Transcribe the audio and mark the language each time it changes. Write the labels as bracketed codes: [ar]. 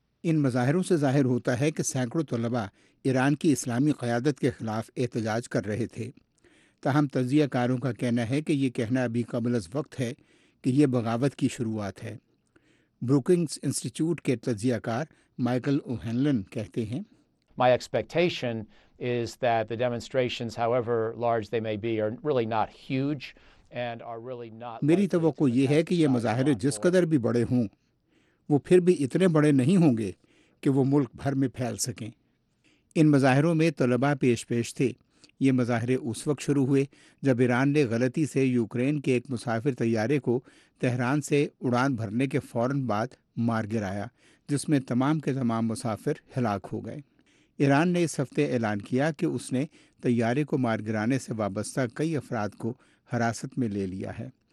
[ur] ان مظاہروں سے ظاہر ہوتا ہے کہ سینکڑوں طلبہ ایران کی اسلامی قیادت کے خلاف احتجاج کر رہے تھے، تاہم تجزیہ کاروں کا کہنا ہے کہ یہ کہنا ابھی قبل از وقت ہے کہ یہ بغاوت کی شروعات ہے۔ بروکنگز انسٹیٹیوٹ کے تجزیہ کار مائیکل اوہنلن کہتے ہیں، [en] My expectation is that the demonstrations, however large they may be, are really not huge and are really not [ur] میری توقع یہ ہے کہ یہ مظاہرے جس قدر بھی بڑے ہوں وہ پھر بھی اتنے بڑے نہیں ہوں گے کہ وہ ملک بھر میں پھیل سکیں۔ ان مظاہروں میں طلبہ پیش تھے۔ یہ مظاہرے اس وقت شروع ہوئے جب ایران نے غلطی سے یوکرین کے ایک مسافر طیارے کو تہران سے اڑان بھرنے کے فوراً بعد مار گرایا، جس میں تمام کے تمام مسافر ہلاک ہو گئے۔ ایران نے اس ہفتے اعلان کیا کہ اس نے طیارے کو مار گرانے سے وابستہ کئی افراد کو حراست میں لے لیا ہے۔